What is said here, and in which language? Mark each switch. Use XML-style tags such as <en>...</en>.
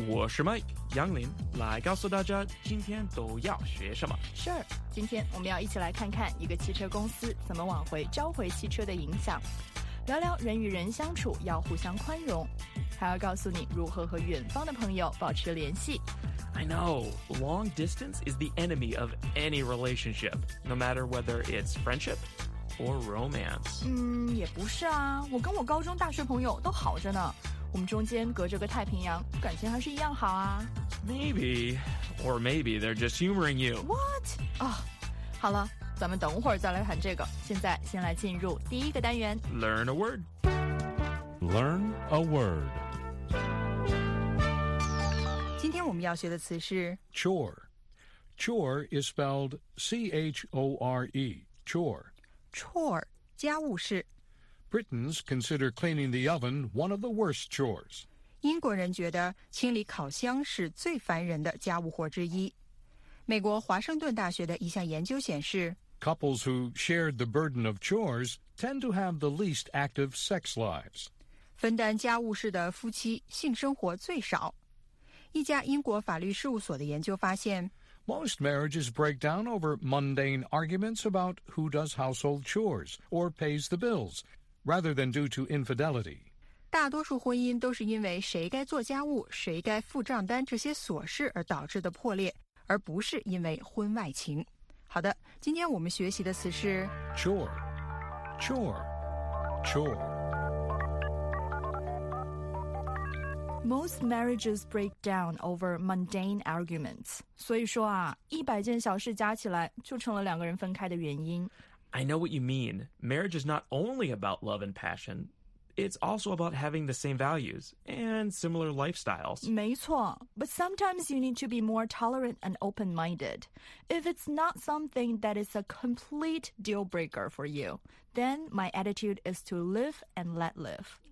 <zh>我是麦杨林，来告诉大家今天都要学什么。是，今天我们要一起来看看一个汽车公司怎么挽回召回汽车的影响，聊聊人与人相处要互相宽容，还要告诉你如何和远方的朋友保持联系。</zh> <en>I know, long distance is the enemy of any relationship, no matter whether it's friendship or romance.</en> <zh>也不是啊，我跟我高中大学朋友都好着呢，我们中间隔着个太平洋，感情还是一样好啊。</zh> <en>Maybe, or maybe they're just humoring you. What?</en> <zh>好了，咱们等会儿再来谈这个，现在先来进入第一个单元。</zh> <en>Learn a word. Learn a word.</en> <zh>今天我们要学的词是</zh> <en>chore. Chore is spelled C-H-O-R-E, chore.</en> <zh>Chore, 家务事。</zh> <en>Britons consider cleaning the oven one of the worst chores.</en> <zh>英国人觉得清理烤箱是最烦人的家务活之一。美国华盛顿大学的一项研究显示</zh> <en>Couples who shared the burden of chores tend to have the least active sex lives.</en> <zh>分担家务事的夫妻性生活最少。一家英国法律事务所的研究发现</zh> <en>Most marriages break down over mundane arguments about who does household chores or pays the bills, rather than due to infidelity.</en> <zh>大多数婚姻都是因为谁该做家务、谁该付账单这些琐事而导致的破裂，而不是因为婚外情。好的，今天我们学习的词是</zh> <en>chore, chore, chore. Most marriages break down over mundane arguments.</en> <zh>所以说啊，一百件小事加起来就成了两个人分开的原因。</zh> <en>I know what you mean. Marriage is not only about love and passion. It's also about having the same values and similar lifestyles.</en> <zh>没错。</zh> <en>But sometimes you need to be more tolerant and open-minded. If it's not something that is a complete deal-breaker for you, then my attitude is to live and let live.</en>